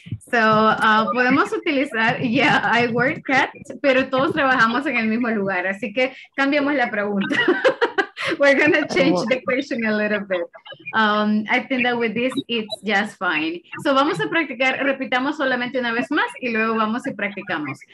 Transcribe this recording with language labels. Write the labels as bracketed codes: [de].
[es] So, podemos utilizar, yeah, [en] I work at, [es] pero todos trabajamos en el mismo lugar, así que cambiamos la pregunta. [en] We're going to change the question a little bit. I think that with this, it's just fine. [es] So, vamos a practicar, repitamos solamente una vez más y luego vamos y practicamos.